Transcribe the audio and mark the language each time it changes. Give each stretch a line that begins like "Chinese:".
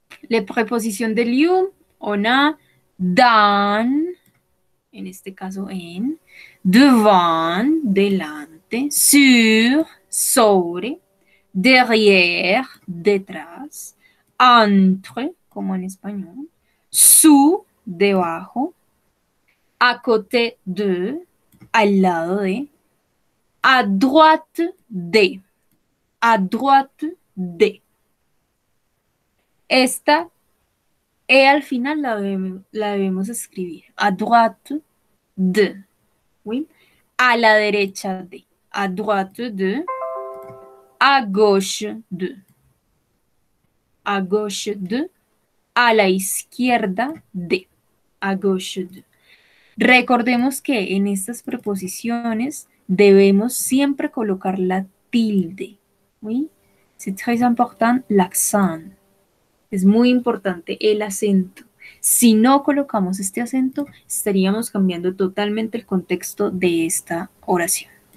French: Les prépositions de lieu, on a dans,
Spanish: en este caso en,
French: devant,
Spanish: delante,
French: sur,
Spanish: sobre,
French: derrière,
Spanish: detrás,
French: entre, comme en espagnol, sous,
Spanish: debajo,
French: à côté de,
Spanish: al lado de,
French: à droite de. À droite de.
Spanish: Esta,
French: et
Spanish: al final la debemos escribir.
French: À droite de. Oui.
Spanish: À la derecha de.
French: À droite de. À gauche de. À gauche de.
Spanish: À la izquierda de.
French: À gauche de.
Spanish: Recordemos que en estas preposiciones debemos siempre colocar la tilde.
French: Oui, c'est très important l'accent.
Spanish: Es muy importante el acento. Si no colocamos este acento, estaríamos cambiando totalmente el contexto de esta oración.